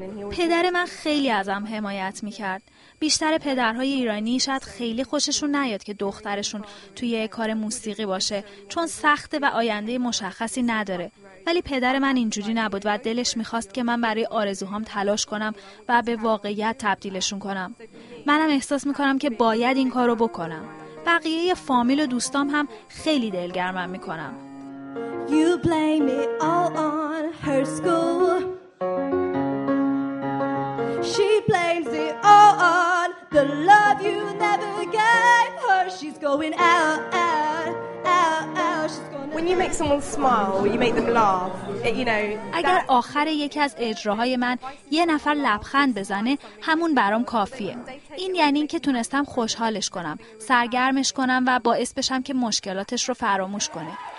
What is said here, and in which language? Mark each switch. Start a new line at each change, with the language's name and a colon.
Persian: پدر من خیلی ازم حمایت میکرد. بیشتر پدرهای ایرانی شاید خیلی خوششون نیاد که دخترشون توی کار موسیقی باشه، چون سخته و آینده مشخصی نداره. ولی پدر من اینجوری نبود و دلش میخواست که من برای آرزوهام تلاش کنم و به واقعیت تبدیلشون کنم. منم احساس میکنم که باید این کارو بکنم. بقیه فامیل و دوستام هم خیلی دلگرمم میکنم.
English: You blame it all on her school. She blames it all on the love you never gave her. She's going out, out, out, out. She's going out. When you make someone smile, you make them laugh. You know.
Persian: اگر آخر یکی از اجراهای من یه نفر لبخند بزنه، همون برام کافیه. این یعنی که تونستم خوشحالش کنم، سرگرمش کنم و باعث بشم که مشکلاتش رو فراموش کنه.